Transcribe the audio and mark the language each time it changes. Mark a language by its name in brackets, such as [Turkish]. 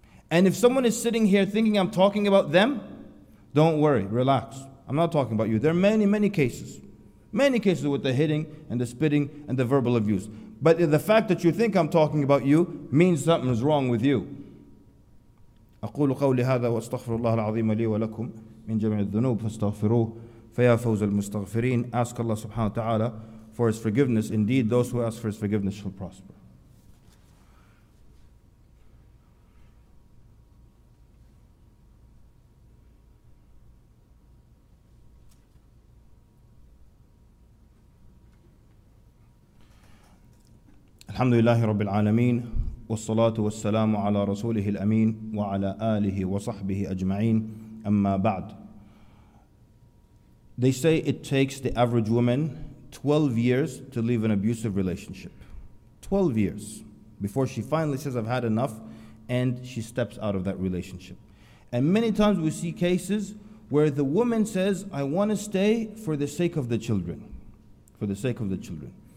[English] And if someone is sitting here thinking I'm talking about them, don't worry, relax. I'm not talking about you. There are many, many cases. Many cases with the hitting and the spitting and the verbal abuse. But the fact that you think I'm talking about you means something is wrong with you. [Arabic] أقول قولي هذا وأستغفر الله العظيم لي ولكم من جميع الذنوب فاستغفروه فيا فوز المستغفرين. [English] Ask Allah subhanahu wa ta'ala for His forgiveness. Indeed, those who ask for His forgiveness shall prosper. [Arabic] الحمد لله رب العالمين والصلاة والسلام على رسوله الأمين وعلى آله وصحبه أجمعين أما بعد. [English] They say it takes the average woman 12 years to leave an abusive relationship. 12 years before she finally says I've had enough and she steps out of that relationship. And many times we see cases where the woman says I want to stay for the sake of the children. For the sake of the children.